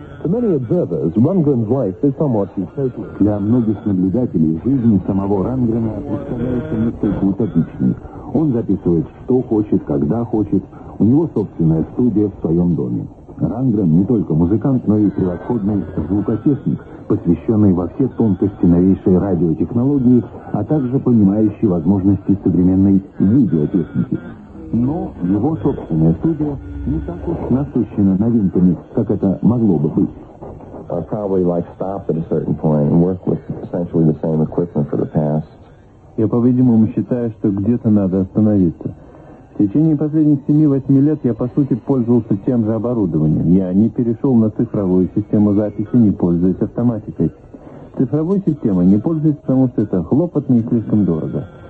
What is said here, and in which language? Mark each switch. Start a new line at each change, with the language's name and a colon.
English: For many observers, Рангрен's life is somewhat utopian.
Russian: Для многих наблюдателей жизнь самого Рангрена представляется несколько утопичной. Он записывает, что хочет, когда хочет. У него собственная студия в своем доме. Рангрен не только музыкант, но и превосходный звукотехник, посвященный во все тонкости новейшей радиотехнологии, а также понимающий возможности современной видеотехники. Но его собственная студия не так уж насыщена новинками, как это могло бы быть.
English: I probably like stopped at a certain point and worked with essentially the same equipment for the past.
Russian: Я, по-видимому, считаю, что где-то надо остановиться. В течение последних 7-8 лет я, по сути, пользовался тем же оборудованием. Я не перешел на цифровую систему записи, не пользуюсь автоматикой. Цифровой системой не пользуюсь, потому что это хлопотно и слишком дорого.